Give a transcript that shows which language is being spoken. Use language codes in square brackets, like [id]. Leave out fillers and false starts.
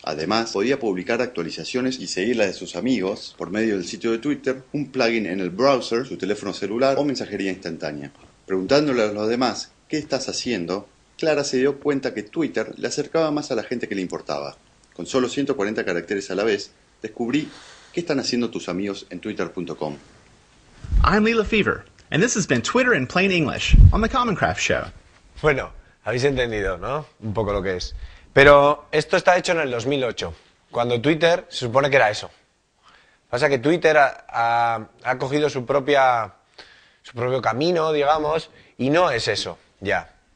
[es] Además, podía publicar actualizaciones y seguirlas de sus amigos por medio del sitio de Twitter, un plugin en el browser, su teléfono celular o mensajería instantánea. Preguntándole a los demás, ¿qué estás haciendo? Clara se dio cuenta que Twitter le acercaba más a la gente que le importaba. Con solo 140 caracteres a la vez, descubrí qué están haciendo tus amigos en twitter.com. [en] I'm Lila Fever. And this has been Twitter in Plain English on the Common Craft Show. [es] Bueno, habéis entendido, ¿no? Un poco lo que es. Pero esto está hecho en el 2008, cuando Twitter se supone que era eso. Pasa que Twitter ha cogido su propio camino, digamos, y no es eso, ya.